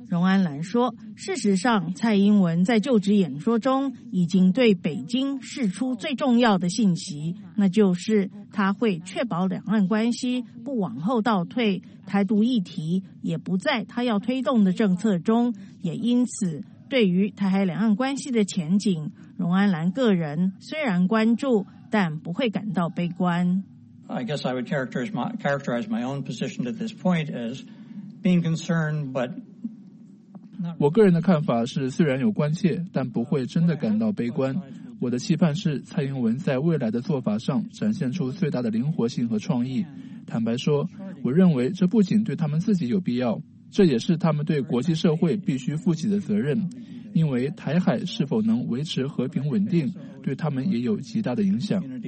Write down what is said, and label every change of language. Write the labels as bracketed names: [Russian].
[Chinese] 荣安兰说，事实上蔡英文在就职演说中已经对北京释出最重要的信息，那就是他会确保两岸关系不往后倒退，台独议题也不在他要推动的政策中，也因此对于台海两岸关系的前景，荣安兰个人虽然关注，但不会感到悲观。 [English] I guess I would characterize my own position at this point as being concerned, but [Chinese] 我个人的看法是，虽然有关切，但不会真的感到悲观。我的期盼是，蔡英文在未来的做法上展现出最大的灵活性和创意。坦白说，我认为这不仅对他们自己有必要，这也是他们对国际社会必须负起的责任，因为台海是否能维持和平稳定，对他们也有极大的影响。